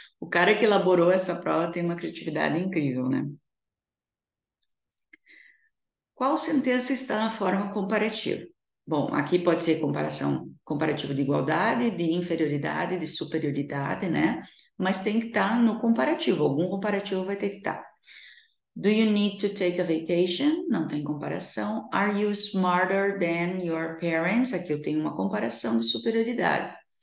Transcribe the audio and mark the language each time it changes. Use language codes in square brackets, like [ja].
[pt] O cara que elaborou essa prova tem uma criatividade incrível, né? Qual sentença está na forma comparativa? Bom, aqui pode ser comparação, comparativo de igualdade, de inferioridade, de superioridade, né? Mas tem que estar no comparativo, algum comparativo vai ter que estar. [en] Do you need to take a vacation? [pt] Não tem comparação. [en] Are you smarter than your parents? [pt] Aqui eu tenho uma comparação de superioridade.